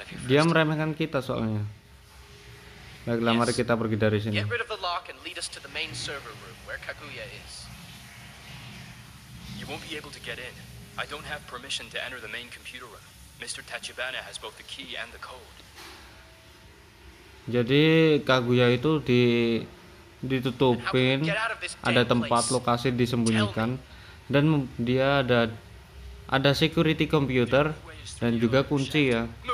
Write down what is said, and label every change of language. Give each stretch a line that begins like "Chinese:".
Indonesian: Dia meremehkan kita soalnya. Baiklah, mari kita pergi dari sini.
English: Get rid of the lock and lead us to the main server room where Kaguya is. You won't be able to get in. I don't have permission to enter the main computer room. Mr. Tachibana has both the key and the code.
Indonesian: Jadi Kaguya itu ditutupin, ada tempat lokasi disembunyikan, dan dia ada security computer dan juga kunci ya.